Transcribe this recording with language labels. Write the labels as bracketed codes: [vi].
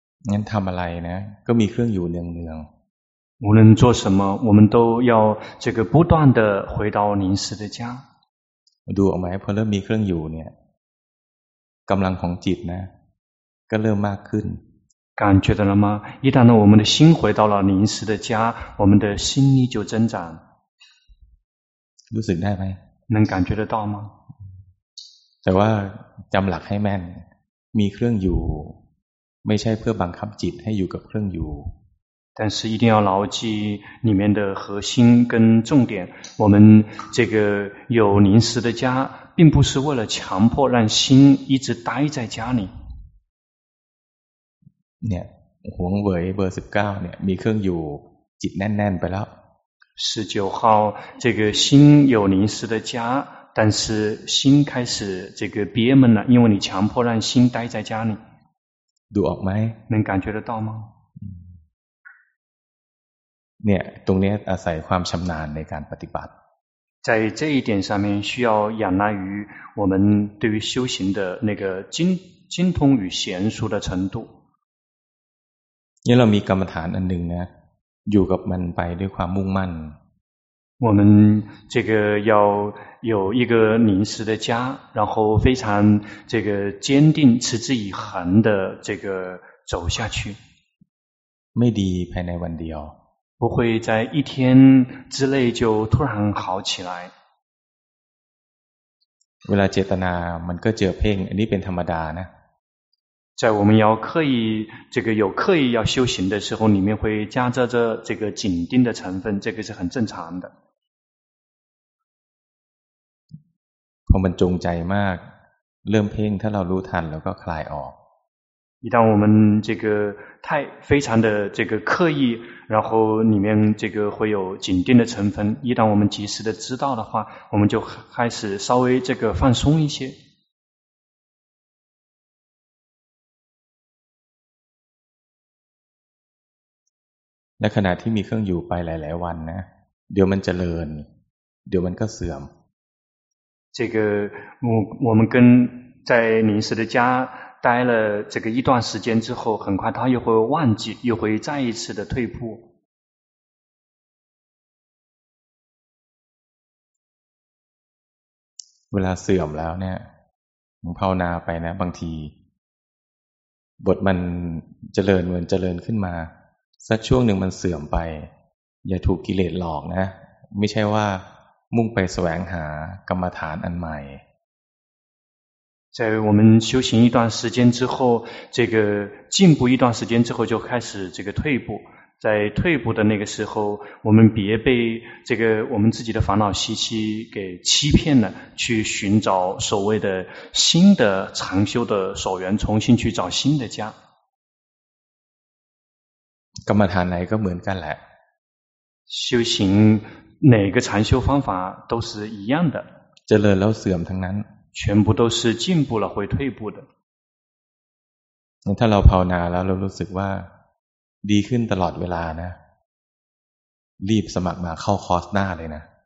[th] งั้นทำอะไรนะก็มีเครื่องอยู่เนือง [zh] ๆ无论做什么我们都要这个不断的回到临时的家 [th] ดูออกไหมพอเริ่มมีเครื่องอยู่เนี่ยกำลังของจิตนะก็เริ่มมากขึ้น [zh] 感觉到了吗？一旦我们的心回到了临时的家，我们的心力就增长。 [th] รู้สึกได้ไหม？ [zh] 能感觉得到吗？ [th] แต่ว่าจำหลักให้แม่นมีเครื่องอยู่ไม่ใช่เพื่อบังคับจิตให้อยู่กับเครื่องอยู่ [zh] 但是一定要牢记里面的核心跟重点我们这个有临时的家并不是为了强迫让心一直待在家里 [th] เนี่ยหวงเว่ยเบอร์19เนี่ยมีเครื่องอยู่จิตแน่นๆไปแล้ว [zh] 19号这个心有临时的家但是心开始这个憋闷了因为你强迫让心待在家里 [th] ดูออกไหม [zh] 能感觉得到吗 [th] เนี่ยตรงนี้อาศัยความชำนาญในการปฏิบัติ [zh] 在这一点上面需要仰赖于我们对于修行的那个 精通与娴熟的程度 [th] นี่เรามีกรรมฐานอันหนึ่งนะอยู่กับมันไปด้วยความมุ่งมั่น [zh] 我们这个要有一个临时的家然后非常这个坚定持之以恒的这个走下去 [th] ไม่ดีภายในวันเดียว [zh] 不会在一天之内就突然好起来 [th] เวลาเจตนามันก็เจอเพ่งอันนี้เป็นธรรมดานะ [zh] 在我们要刻意这个有刻意要修行的时候里面会夹杂着这个紧盯的成分这个是很正常的 [th] พอมันจงใจมากเริ่มเพ่งถ้าเรารู้ทันแล้วก็คลายออก [zh] 一旦我们这个太非常的这个刻意然后里面这个会有紧盯的成分一旦我们及时的知道的话我们就开始稍微这个放松一些 [th] และขณะที่มีเครื่องอยู่ไปหลายๆวันนะเดี๋ยวมันเจริญเดี๋ยวมันก็เสื่อม [zh] 这个我们跟在临时的家待了这个一段时间之后很快他又会忘记又会再一次的退步 [th] เวลาเสื่อมแล้วเนี่ยมันภาวนาไปนะบางทีบทมันเจริญเหมือนเจริญขึ้นมาสักช่วงหนึ่งมันเสื่อมไปอย่าถูกกิเลสหลอกนะไม่ใช่ว่ามุ่งไปแสวงหากรรมฐานอันใหม่ [zh] 在我们修行一段时间之后这个进步一段时间之后就开始这个退步在退步的那个时候我们别被这个我们自己的烦恼习气给欺骗了去寻找所谓的新的长修的所缘重新去找新的家 [th] กรรมฐานไหนก็เหมือนกันแหละ [zh] 修行哪个禅修方法都是一样的 [th] เจริญแล้วเสื่อมทั้งนั้น [zh] 全部都是进步了会退步的 [th] ถ้าเราภาวนาแล้วเรารู้สึกว่าดีขึ้นตลอดเวลานะรีบสมัครมาเข้าคอร์สหน้าเลยนะ